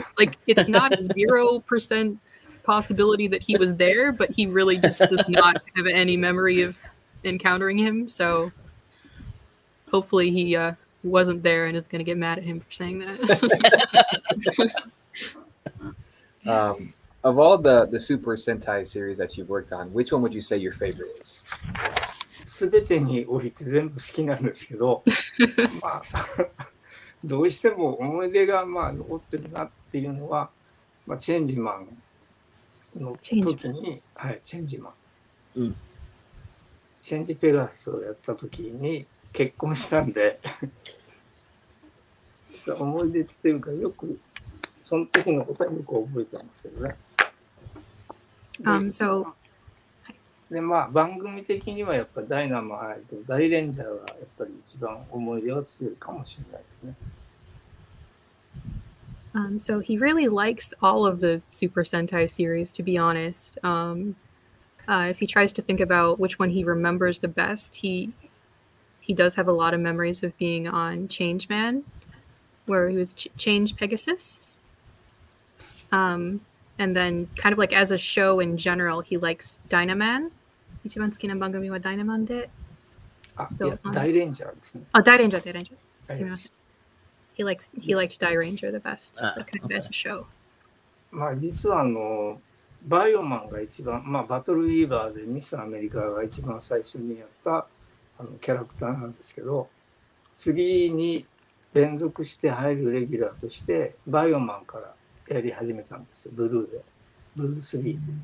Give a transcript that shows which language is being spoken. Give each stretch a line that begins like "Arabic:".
English: Like, it's not 0% possibility that he was there, but he really just does not have any memory of encountering him. So hopefully he wasn't there and is going to get mad at him for saying that. Of all the Super Sentai series that you've worked on, which one would you say your favorite is?
Japanese: すべてにおいて全部好きなんですけど、まあ、どうしても思い出がまあ残ってるなっていうのは、まあ、チェンジマンの時に、はい、チェンジマン。チェンジペガスをやった時に結婚したんで、思い出っていうかよくその時のことはよく覚えてますよね。
English: So
Japanese: で、まあ、番組的にはやっぱダイナマイト、ダイレンジャーがやっぱり一番思い出は強いかもしれないですね。
English: So he really likes all of the Super Sentai series, to be honest. If he tries to think about which one he remembers the best, he does have a lot of memories of being on Change Man, where he was Change Pegasus. And then kind of like as a show in general, he likes Dynaman.
Japanese: 一番好きな番組は Dynaman で。あ、いや、ダイレンジャーですね。あ、ダイレンジャー、ダイレンジャー。すみません。
English: He likes Die Ranger the best, the best show.
Japanese: まあ実はあのバイオマンが一番、まあバトルウィーバーでミスアメリカが一番最初にやったあのキャラクターなんですけど、次に連続して入るレギュラーとしてバイオマンからやり始めたんですよ、ブルーで。ブルースリー。